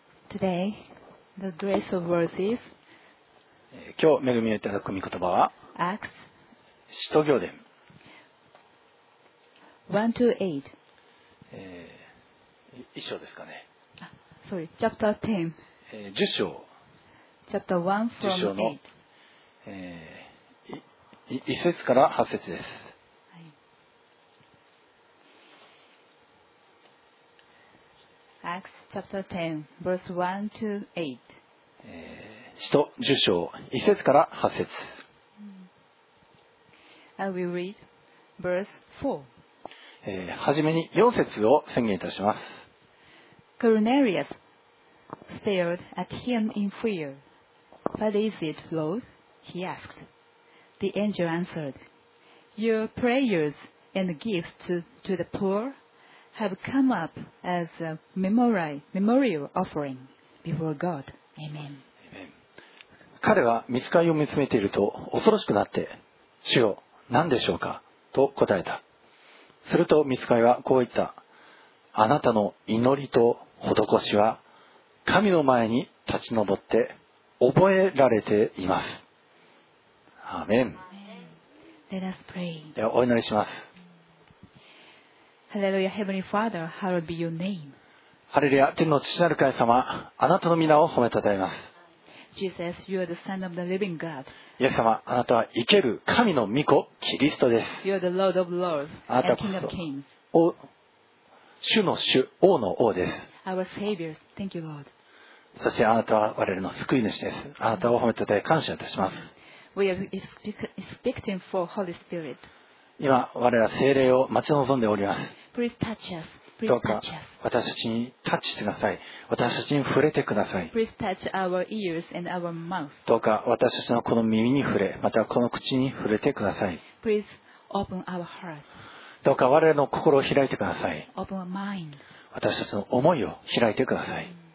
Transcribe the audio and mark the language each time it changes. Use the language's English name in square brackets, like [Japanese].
[English] Today, the grace of words is [Japanese] 今日、恵みをいただく御言葉は [English] Acts [Japanese] 使徒行伝 1-8、 1章ですかね。 [English] Sorry, chapter 10. [Japanese] 10章。 [English] Chapter 1 from 8. 10 [Japanese] 章の、1節から8節です。 [English] Acts chapter 10, verse 1-8. [Japanese] 使徒10章、1節から8節。 [English] I will read. verse 4. [Japanese] はじめに4節を宣言いたします。 [English] Cornelius stared at him in fear. What is it, Lord? He asked. The angel answered, Your prayers and gifts to the poor have come up as a memorial offering before God. Amen. [Japanese] 彼は見つかりを見つめていると恐ろしくなって、主よ、何でしょうかと答えた。すると見つかりはこう言った。あなたの祈りと施しは神の前に立ち上って覚えられています。アーメン。 [English] Let us pray. [Japanese] ではお祈りします。ハレルヤ、 [English] Heavenly Father, hallowed be your name. [Japanese] ハレルヤ、天の父なる神様、あなたの皆を褒めたたえます。 [English] Jesus, you are the Son of the Living God. [Japanese] イエス様、あなたは生ける神の御子キリストです。 [English] You are the Lord of Lords, [Japanese] あなたこそ王、主の主、王の王です。 [English] Our Savior, thank you, Lord. [Japanese] そしてあなたは我々の救い主です。あなたを褒めたたえ感謝いたします。 [English] We are expecting for Holy Spirit. [Japanese] 今我々は聖霊を待ち望んでおります。 [English] Please touch us. [Japanese] どうか私たちにタッチしてください。私たちに触れてください。 [English] Please touch our ears and our mouth. [Japanese] どうか私たちのこの耳に触れ、またこの口に触れてください。 [English] Please open our hearts. [Japanese] どうか我々の心を開いてください。 [English] Open our mind. [Japanese] 私たちの思いを開いてください。